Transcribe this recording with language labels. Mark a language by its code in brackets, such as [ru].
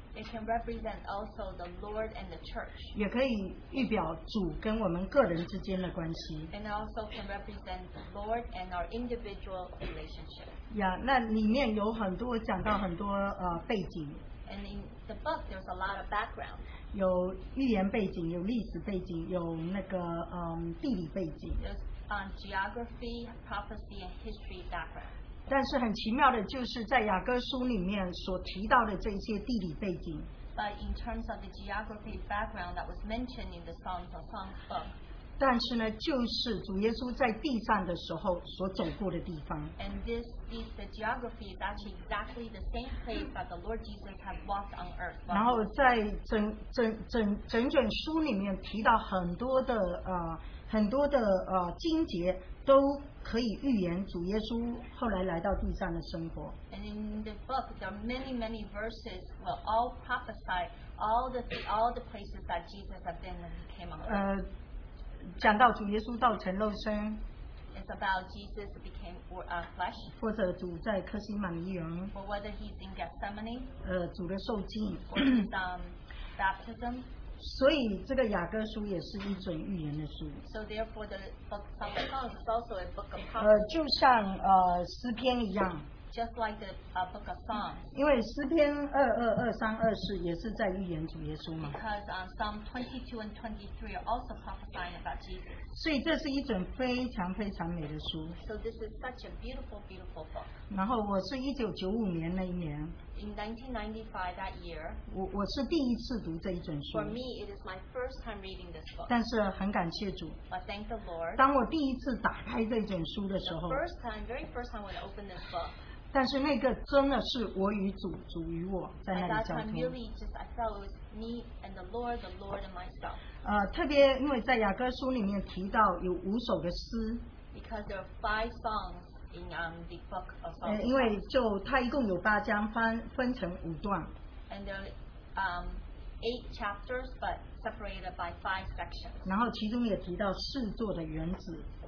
[en] It can represent also the Lord and the church. [zh] 也可以预表主跟我们个人之间的关系 [en] And also can represent the Lord and our individual relationship. [zh] Yeah, 那里面有很多讲到很多背景 [en] And in the book, there's a lot of background. [zh] 有预言背景，有历史背景，有那个地理背景 [en] There's geography, prophecy, and history background. [zh] 但是很奇妙的就是在雅歌书里面所提到的这些地理背景 [en] But in terms of the geography background that was mentioned in the Songs of Song book [zh] 但是呢就是主耶稣在地上的时候所走过的地方 [en] And this is the geography is actually exactly the same place that the Lord Jesus had walked on earth [zh] 然后在整书里面提到很多的经节都可以预言主耶稣后来来到地上的生活。 [en] And in the book, there are many, many verses will all prophesy all the places that Jesus had been when he came on earth. [zh] 讲到主耶稣道成肉身。 [en] It's about Jesus became flesh. [zh] 或者主在客西马尼园。 [en] Or whether he's in Gethsemane. [zh] 主的受浸。 [en] Or his baptism. [zh] 所以这个雅歌书也是一种预言的书。 [en] So therefore, the book of Song of Songs is also a book of prophecy. [zh] 就像诗篇一样。 [en] Just like the book of Songs. [zh] 因为诗篇二二二三二四也是在预言主耶稣嘛。 [en] Because Psalm 22 and 23 are also prophesying about Jesus. [zh] 所以这是一种非常非常美的书。 [en] So this is such a beautiful, beautiful book. [zh] 然后我是1995年那一年。 [en] In 1995, that year, [zh] 我是第一次读这一卷书。 [en] For me, it is my first time reading this book. [zh] 但是很感谢主。 [en] But thank the Lord. [zh] 当我第一次打开这卷书的时候 [en] ，the first time, very first time when I opened this book. [zh] 但是那个真的是我与主，主与我在那里交通。 [en] At that time, really, just I felt it was me and the Lord and myself. [zh] 特别因为在雅歌书里面提到有五首的诗。 [en] Because there are five songs. In, the book of Psalms. [zh] 因为就它一共有八章，分成五段。 [en] And there are eight chapters, but separated by five sections. [zh] 然后其中也提到四座的园子。